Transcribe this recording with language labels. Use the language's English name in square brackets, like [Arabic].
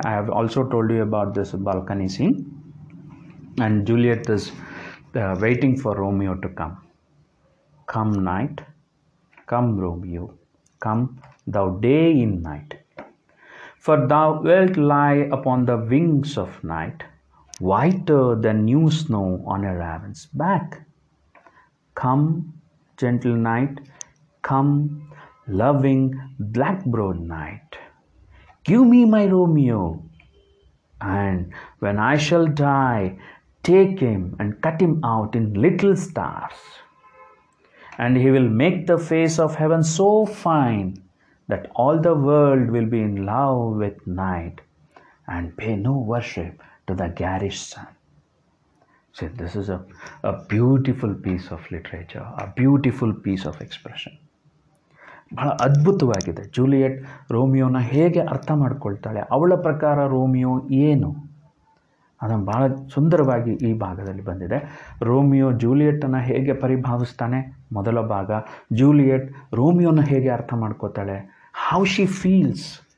[English] I have also told you about this balcony scene, and Juliet is waiting for Romeo to come. Come night, come Romeo, come thou day in night, for thou wilt lie upon the wings of night, whiter than new snow on a raven's back. Come gentle night, come loving blackbird night, give me my Romeo, and when I shall die, take him and cut him out in little stars, and he will make the face of heaven so fine that all the world will be in love with night and pay no worship to the garish sun. See, this is a beautiful piece of literature, a beautiful piece of expression. [Kannada] ಬಹಳ ಅದ್ಭುತವಾಗಿದೆ. Juliet ರೋಮಿಯೋನ ಹೇಗೆ ಅರ್ಥ ಮಾಡ್ಕೊಳ್ತಾಳೆ, ಅವಳ ಪ್ರಕಾರ Romeo ಏನು, ಅದನ್ನು ಭಾಳ ಸುಂದರವಾಗಿ ಈ ಭಾಗದಲ್ಲಿ ಬಂದಿದೆ. ರೋಮಿಯೋ ಜೂಲಿಯಟನ್ನು ಹೇಗೆ ಪರಿಭಾವಿಸ್ತಾನೆ ಮೊದಲ ಭಾಗ, ಜೂಲಿಯಟ್ ರೋಮಿಯೋನ ಹೇಗೆ ಅರ್ಥ ಮಾಡ್ಕೋತಾಳೆ, [English] How she feels.